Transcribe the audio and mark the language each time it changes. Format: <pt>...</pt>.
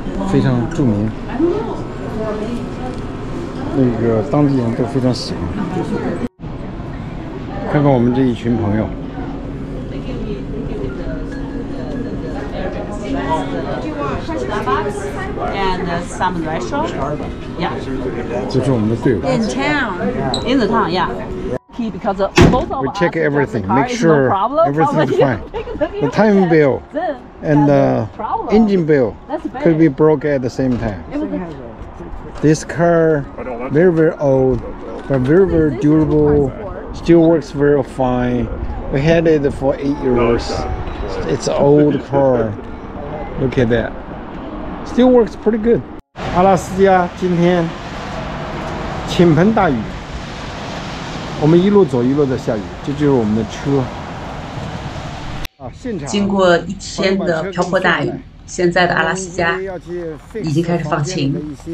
<zh>非常著名，那个当地人都非常喜欢。看看我们这一群朋友，这是我们的队伍。</zh> <en>In town, in the town, yeah. Because both of we check everything, make sure everything is fine. The timing bell. And the engine bell could be broke at the same time. This car, very, very old, but very, very durable, still works very fine. We had it for 8 years. It's an old car. Look at that. Still works pretty good.</en> <zh>阿拉斯加今天倾盆大雨，我们一路走一路在下雨，这就是我们的车。经过一天的瓢泼大雨，现在的阿拉斯加已经开始放晴。</zh>